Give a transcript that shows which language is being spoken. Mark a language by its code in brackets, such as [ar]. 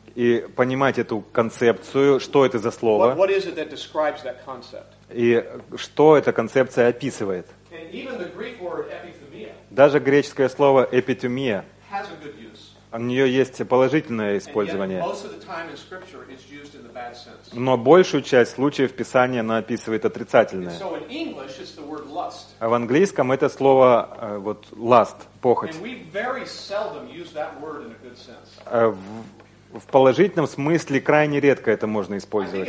[ru] И понимать эту концепцию, что это за слово. [en] What is it that describes that concept? [ru] И что эта концепция описывает. [en] And even the Greek word epithumia. [ru] Даже греческое слово эпитумия [en] has a good use. [ru] у нее есть положительное использование. [en] And yet, most of the time in scripture is used in the bad sense. [ru] Но большую часть случаев Писания она описывает отрицательное. [en] And so in English, it's the word lust. [ru] А в английском это слово вот lust, похоть. [en] And we very seldom use that word in a good sense. [ru] В положительном смысле крайне редко это можно использовать.